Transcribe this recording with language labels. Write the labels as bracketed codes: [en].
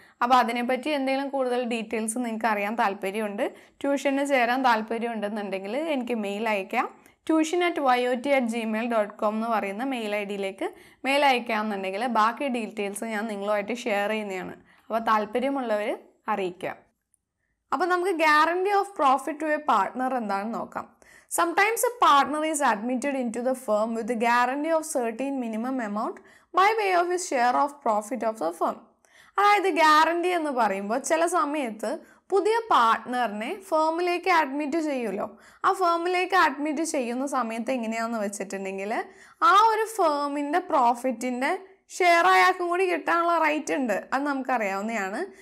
[ml] അപ്പോൾ അതിനെപ്പറ്റി എന്തെങ്കിലും കൂടുതൽ ഡീറ്റെയിൽസ് നിങ്ങൾക്ക് അറിയാൻ താല്പര്യമുണ്ട്, ട്യൂഷന് ചേരാൻ താല്പര്യമുണ്ടെന്നുണ്ടെങ്കിൽ എനിക്ക് മെയിൽ അയക്കാം. tuition@yot@gmail.com എന്ന് പറയുന്ന മെയിൽ ഐ ഡിയിലേക്ക് മെയിൽ അയക്കാമെന്നുണ്ടെങ്കിൽ ബാക്കി ഡീറ്റെയിൽസ് ഞാൻ നിങ്ങളുമായിട്ട് ഷെയർ ചെയ്യുന്നതാണ്. അപ്പോൾ താല്പര്യമുള്ളവർ അറിയിക്കാം. അപ്പോൾ നമുക്ക് [en] guarantee of profit to a partner [ml] എന്താണെന്ന് നോക്കാം. [en] Sometimes a partner is admitted into the firm with a guarantee of certain minimum amount by way of his share of profit of the firm. [ml] അതായത്, guarantee എന്ന് പറയുമ്പോൾ ചില സമയത്ത് പുതിയ പാർട്ട്ണറിനെ ഫേമിലേക്ക് admit ചെയ്യുമല്ലോ. ആ ഫേമിലേക്ക് അഡ്മിറ്റ് ചെയ്യുന്ന സമയത്ത് എങ്ങനെയാണെന്ന് വെച്ചിട്ടുണ്ടെങ്കിൽ, ആ ഒരു ഫേമിൻ്റെ പ്രോഫിറ്റിൻ്റെ ഷെയർ അയാൾക്കും കൂടി കിട്ടാനുള്ള റൈറ്റ് ഉണ്ട്, അത് നമുക്കറിയാവുന്നതാണ്.